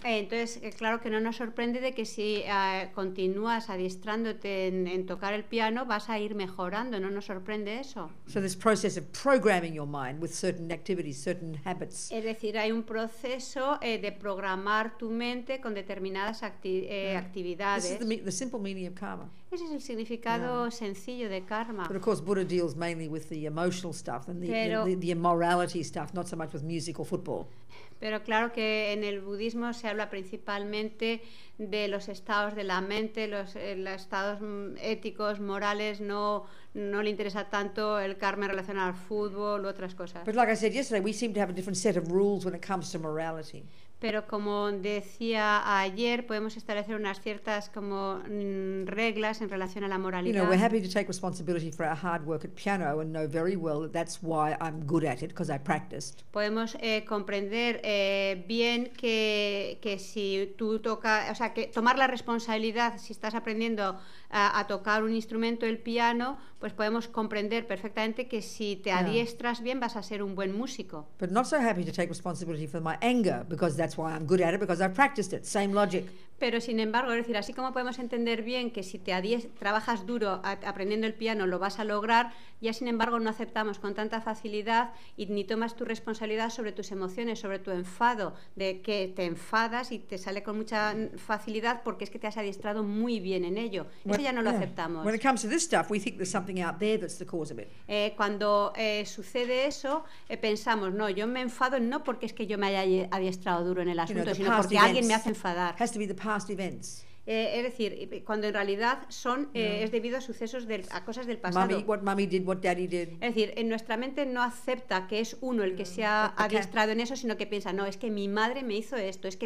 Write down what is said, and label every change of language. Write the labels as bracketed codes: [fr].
[es] Entonces, claro que no nos sorprende de que si continúas adiestrándote en tocar el piano, vas a ir mejorando. No nos sorprende eso. [en] So this process of programming your mind with certain activities, certain habits. [es] Es decir, hay un proceso de programar tu mente con determinadas actividades. [en] This is the simple meaning of karma. [es] Ese es el significado sencillo de karma. [en] But of course, Buddha deals mainly with the emotional stuff and the immorality stuff, not so much with music or football. [es] Pero claro que en el budismo se habla principalmente de los estados de la mente, los estados éticos, morales. No le interesa tanto el karma relacionado al fútbol u otras cosas. [en] But like I said yesterday, we seem to have a different set of rules when it comes to morality. [es] Pero como decía ayer, podemos establecer unas ciertas como reglas en relación a la moralidad. [en] You know, we're happy to take responsibility for our hard work at piano and know very well that that's why I'm good at it, because I practiced. [es] Podemos comprender bien que si tú tocas, o sea, que tomar la responsabilidad si estás aprendiendo a tocar un instrumento, el piano, pues podemos comprender perfectamente que si te adiestras bien vas a ser un buen músico. [en] But not so happy to take responsibility for my anger, because that's why I'm good at it, because I've practiced it. Same logic. [es] Pero sin embargo, es decir, así como podemos entender bien que si te trabajas duro aprendiendo el piano lo vas a lograr, ya sin embargo no aceptamos con tanta facilidad y ni tomas tu responsabilidad sobre tus emociones, sobre tu enfado, de que te enfadas y te sale con mucha facilidad porque es que te has adiestrado muy bien en ello. Eso ya no lo aceptamos. [en] When it comes to this stuff, we think there's something out there that's the cause of it. [es] Sucede eso, pensamos, no, yo me enfado no porque es que yo me haya adiestrado duro en el asunto, sino porque alguien me hace enfadar. [en] Past events. [es] Es decir, cuando en realidad son es debido a sucesos a cosas del pasado. [en] Mommy, what mommy did, what daddy did. [es] Es decir, en nuestra mente no acepta que es uno el que se ha adiestrado en eso, sino que piensa, no, es que mi madre me hizo esto, es que